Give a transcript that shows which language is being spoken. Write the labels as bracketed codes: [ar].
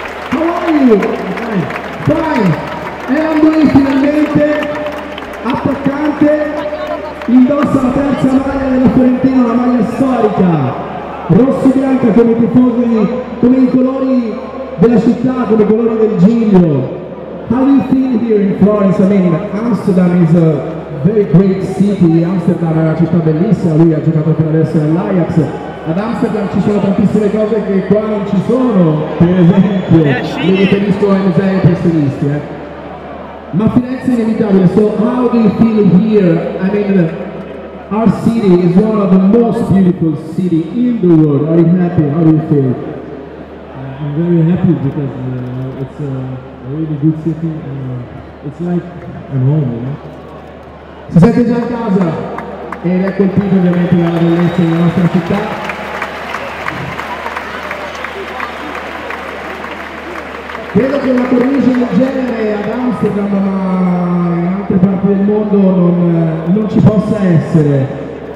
[en] How are you? [it] Vai! È Landoi finalmente, attaccante, indossa la terza maglia della Fiorentina, la maglia storica, rosso e bianca come i tifosi, come i colori della città, come i colori del Giglio. [en] How do you feel here in Florence? I mean, Amsterdam is a very great city. [it] Amsterdam è una città bellissima, lui ha giocato per adesso nell'Ajax. Ad Amsterdam ci sono tantissime cose che qua non ci sono, per esempio, mi riferisco a musei impressionisti. Ma Firenze è inevitabile, [en] so how do you feel here? I mean, our city is one of the most beautiful city in the world. Are you happy? How do you feel? I'm very happy because it's a really good city and it's like I'm home, you know? [it] Si sente già a casa ed è colpito ovviamente dalla bellezza della nostra città. Credo che una cornice del genere ad Amsterdam, ma in altre parti del mondo non ci possa essere.